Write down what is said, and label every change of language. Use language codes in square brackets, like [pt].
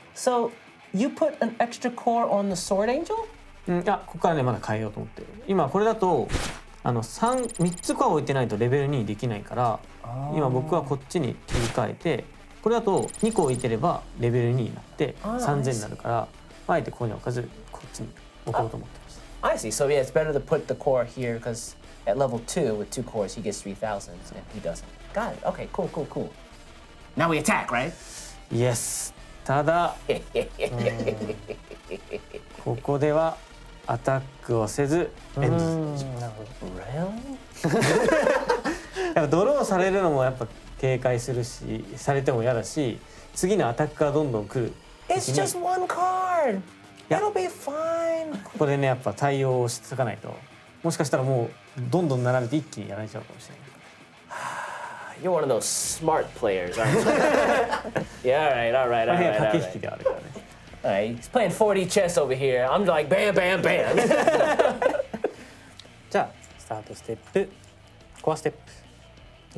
[en] So you put an extra core on the sword angel? [ja] いや、ここからねまだ変えようと思って。今これだと。あの 3つコア置いてないとレベル2できないから、今僕はこっちに切り替えて、これだと2個置いてればレベル2になって3000になるから、あえてここに置かずこっちに置こうと思ってます。 [en] I see, so yeah, it's better to put the core here because at level 2 with 2 cores he gets 3000 and he doesn't. Got it, okay, cool, cool, cool. Now we attack, right? [ja] Yes, ただここではアタックをせずエンド。なるほど。やっぱドローされるのもやっぱ警戒するし、されても嫌だし、次のアタックがどんどん来る。 [en] It's just one card. It'll be fine. [ja] ここでね、やっぱ対応をしとかないと、もしかしたらもうどんどん並べて一気にやられちゃうかもしれない。 [en] You're one of those smart players, aren't you? Yeah, alright, alright, alright. [ja] 駆け引きであるからね。 [en] Alright, he's playing 4D chess over here. I'm like, bam, bam, bam. [ja] じゃあ、スタートステップ、コアステップ。